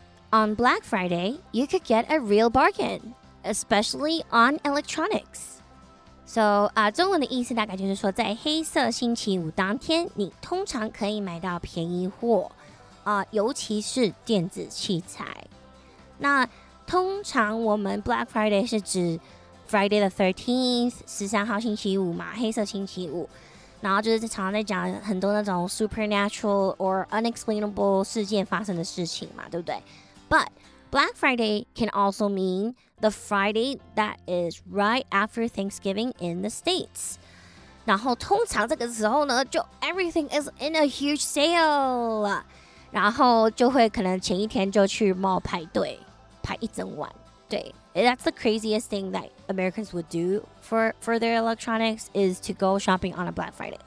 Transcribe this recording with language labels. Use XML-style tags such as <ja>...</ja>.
<en>On Black Friday, you could get a real bargain. Especially on electronics.</en> <zh>So, 中文的意思大概就是说，在黑色星期五当天，你通常可以买到便宜货，尤其是电子器材。那通常我们 Black Friday 是指</zh> <en>Friday the 13th,</en> <zh>13号星期五嘛，黑色星期五。然后就是常常在讲很多那种</zh> <en>supernatural or unexplainable</en> <zh>事件发生的事情嘛，对不对？</zh> <en>But Black Friday can also meanThe Friday that is right after Thanksgiving in the States.</en> <zh>然后通常这个时候呢，就</zh> <en>everything is in a huge sale.</en> <zh>然后就会可能前一天就去 mall 排队，排一整晚。</zh> <en>对， that's the craziest thing that Americans would do for their electronics is to go shopping on a Black Friday.</en>